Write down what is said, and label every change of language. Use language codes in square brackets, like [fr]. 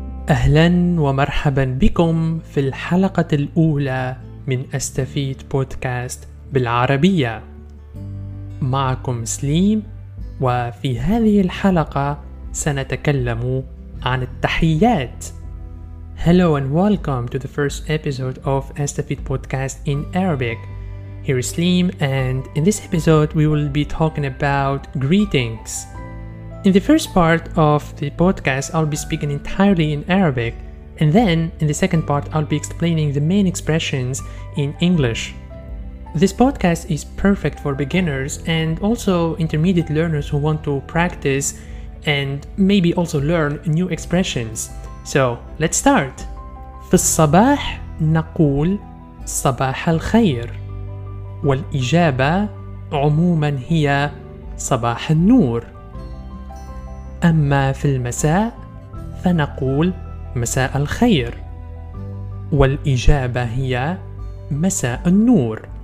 [ar] أهلا ومرحبا بكم في الحلقة الأولى من أستفيد بودكاست بالعربية. معكم سليم، وفي هذه الحلقة سنتكلم عن التحيات. [en] Hello and welcome to the first episode of Astafid podcast in Arabic. Here is Slim, and in this episode we will be talking about greetings. In the first part of the podcast I'll be speaking entirely in Arabic, and then in the second part I'll be explaining the main expressions in English. This podcast is perfect for beginners and also intermediate learners who want to practice and maybe also learn new expressions. So, let's start. [ar] في الصباح نقول صباح الخير، والإجابة عموما هي صباح النور. أما في المساء فنقول مساء الخير، والإجابة هي مساء النور.